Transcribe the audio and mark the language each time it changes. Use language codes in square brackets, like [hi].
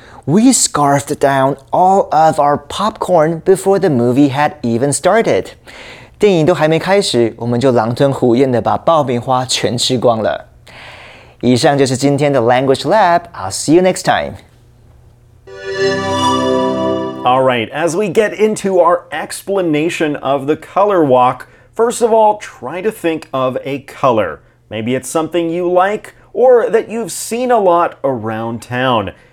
[en] We scarfed down all of our popcorn before the movie had even started. [zh] 电影都还没开始，我们就狼吞虎咽地把爆米花全吃光了。以上就是今天的 [en] Language Lab. I'll see you next time. All right, as we get into our explanation of the color walk, first of all, try to think of a color. Maybe it's something you like or that you've seen a lot around town.